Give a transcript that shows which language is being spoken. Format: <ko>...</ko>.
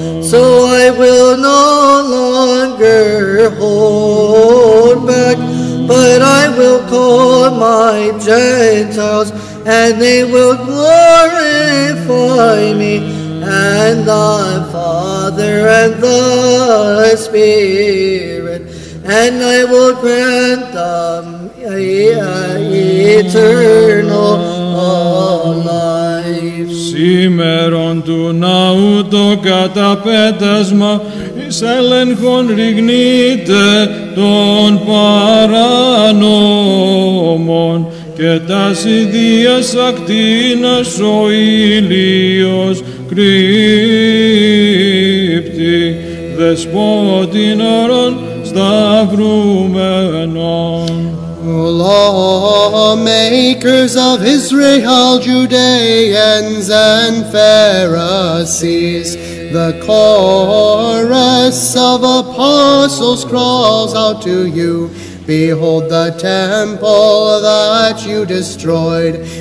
<en>So I will no longer hold back, but I will call my Gentiles, and they will glorify me, and the Father and the Spirit, and I will grant them eternal life.</en> <el>Σήμερον του ναού το καταπέτασμα εις έλεγχον ρηγνείται των παρανόμων, και τας ιδίας ακτίνας ο ήλιος κρύπτει, δεσπότην ώρων σταυρούμενων.</el> <en>O lawmakers of Israel, Judeans and Pharisees, the chorus of apostles calls out to you. Behold the temple that you destroyed.</en>